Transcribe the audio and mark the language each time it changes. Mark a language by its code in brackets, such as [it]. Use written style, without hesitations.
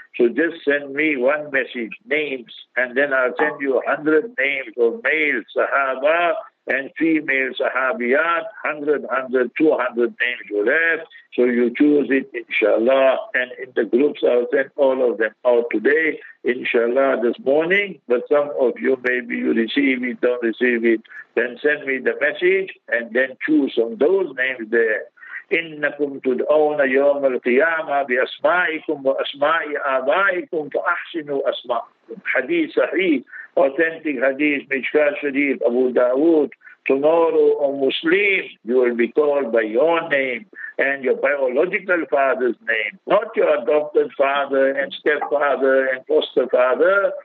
[en] So just send me one message, names, and then I'll send you 100 names of male sahaba and female sahabiyat, 100, 200 names you have. So you choose it, inshallah. And in the groups, I'll send all of them out today, inshallah, this morning. But some of you, maybe you receive it, don't receive it. Then send me the message, and then choose some of those names there. [ar] إنكم تدعون يوم القيامة بأسمائكم وأسماء آبائكم فأحسنوا أسماءكم. حديث صحيح, [en] authentic hadith, Mishkat Sharif, Abu Dawood. Tomorrow, O Muslim, you will be called by your name and your biological father's name, not your adopted father and stepfather and foster father.